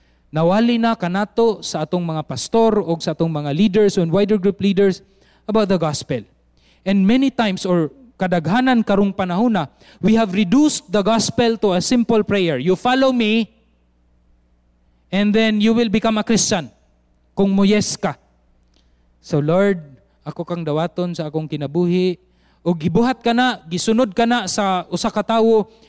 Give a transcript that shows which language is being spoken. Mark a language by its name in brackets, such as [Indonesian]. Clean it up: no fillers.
[Cebuano] Nawali na kanato sa atong mga pastor o sa atong mga leaders [English] and wider group leaders about the gospel. And many times [Cebuano] or kadaghanan karong panahuna, [English] we have reduced the gospel to a simple prayer. You follow me and then you will become a Christian [Cebuano] kung muyes ka. So Lord, ako kang dawaton sa akong kinabuhi. O gibuhat ka na, gisunod ka na sa usa ka tawo.